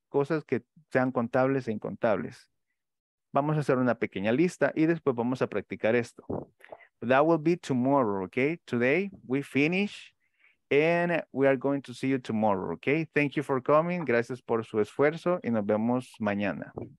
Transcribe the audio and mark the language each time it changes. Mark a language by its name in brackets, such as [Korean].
[Spanish] Cosas que sean contables e incontables. Vamos a hacer una pequeña lista y después vamos a practicar esto. [English] But that will be tomorrow, okay? Today we finish and we are going to see you tomorrow, okay? Thank you for coming. [Spanish] Gracias por su esfuerzo y nos vemos mañana.